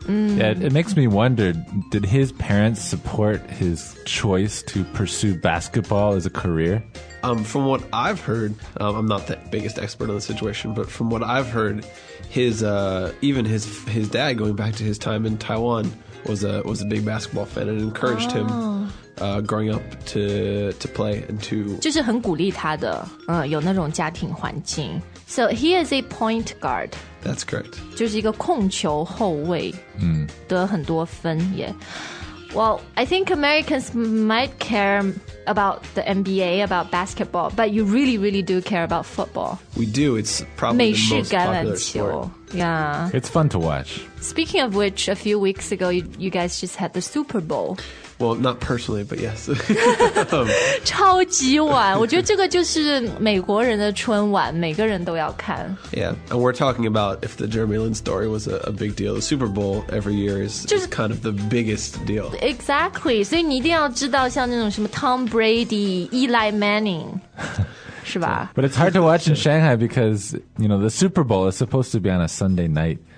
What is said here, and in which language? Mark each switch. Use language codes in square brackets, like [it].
[en] Mm. Yeah, it makes me wonder, did his parents support his choice to pursue basketball as a career? From what I've heard, I'm not the biggest expert on the situation, but from what I've heard, his dad, going back to his time in Taiwan, was a big basketball fan and encouraged him. Growing up to play and to... [zh] 就是很鼓励他的,有那种家庭环境。 [en] So he is a point guard. That's correct. [zh] 就是一个控球后卫,得很多分也。 [en] Well, I think Americans might care about the NBA, about basketball, but you really, really do care about football. We do. It's probably the most popular sport. Yeah. It's fun to watch. Speaking of which, a few weeks ago, you guys just had the Super Bowl. Well, not personally, but yes. [zh] 超级晚，我觉得这个就是美国人的春晚，每个人都要看。 [en] Yeah, and we're talking about if the Jeremy Lin story was a big deal. The Super Bowl every year is kind of the biggest deal. Exactly, [zh] 所以你一定要知道像那种什么 Tom Brady, Eli Manning, 是吧？ [en] But it's hard to watch in Shanghai because, you know, the Super Bowl is supposed to be on a Sunday night.